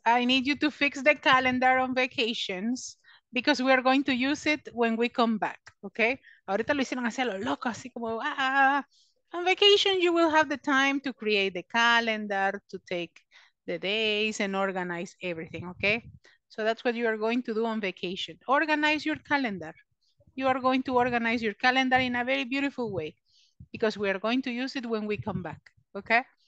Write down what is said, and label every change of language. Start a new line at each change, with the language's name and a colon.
English: I need you to fix the calendar on vacations because we are going to use it when we come back, okay?
Spanish: Ahorita lo hicieron así a lo loco, así como, ah.
English: On vacation, you will have the time to create the calendar, to take the days and organize everything, okay? So that's what you are going to do on vacation. Organize your calendar. You are going to organize your calendar in a very beautiful way because we are going to use it when we come back, okay?